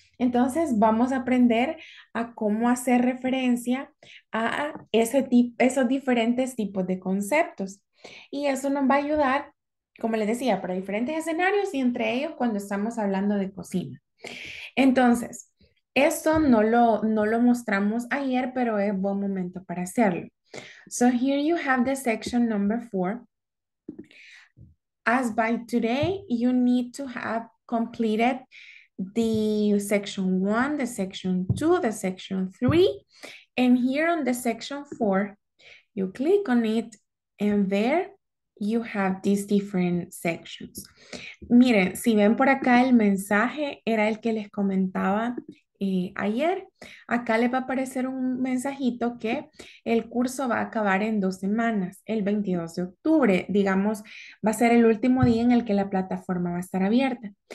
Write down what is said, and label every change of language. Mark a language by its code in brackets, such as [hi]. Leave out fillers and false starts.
[es] Entonces, vamos a aprender a cómo hacer referencia a esos diferentes tipos de conceptos. Y eso nos va a ayudar, como les decía, para diferentes escenarios y entre ellos cuando estamos hablando de cocina. Entonces, esto no lo mostramos ayer, pero es buen momento para hacerlo. [en] So here you have the section number four. As by today, you need to have completed the section one, the section two, the section three. And here on the section four, you click on it and there you have these different sections. [es] Miren, si ven por acá el mensaje, era el que les comentaba ayer. Acá les va a aparecer un mensajito que el curso va a acabar en 2 semanas, el 22 de octubre. Digamos, va a ser el último día en el que la plataforma va a estar abierta.